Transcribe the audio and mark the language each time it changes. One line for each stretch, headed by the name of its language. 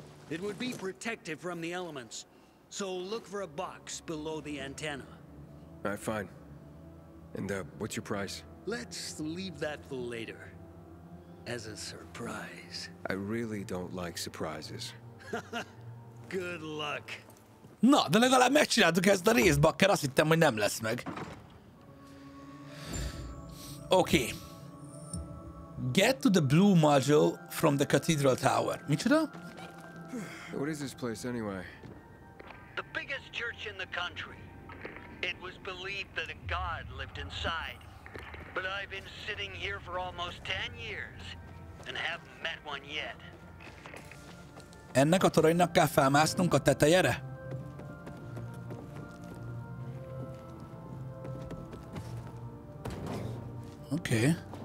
English: It would be protected from the elements. So look for a box below the antenna. All right, fine. And what's your price? Let's leave that for later. As a surprise. I really don't like surprises. Good luck.
Hungarian: Na, de legalább megcsináltuk ezt a részt, bakker, azt hittem, hogy nem lesz meg. Oké. Okay.
English: Get to the blue module from the Cathedral Tower.
Hungarian: Micsoda?
English: What is this place anyway? The biggest church in the country. It was believed that a god lived inside. But I've been sitting here for almost 10 years and haven't met one yet.
Hungarian: Ennek a toronynak kell felmásznunk a tetejére? Oké. Okay.